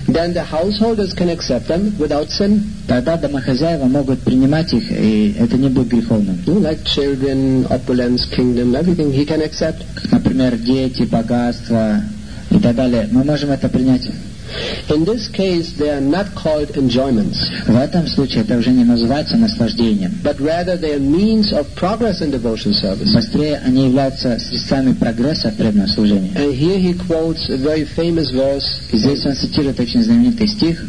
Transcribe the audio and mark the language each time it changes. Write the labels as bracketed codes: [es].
[en] then the householders can accept them without sin. [ru] Тогда домохозяева могут принимать их, и это не будет греховным. [en] Like children, opulence, kingdom, everything he can accept. [ru] Например, дети, богатство и так далее. Мы можем это принять. [en] In this case, they are not called enjoyments. [ru] В этом случае это уже не называется наслаждением. [en] But rather, they are means of progress in devotional service. [ru] Быстрее они являются средствами прогресса в преданном служении. [en] And here he quotes a very famous verse. [ru] Здесь он цитирует очень знаменитый стих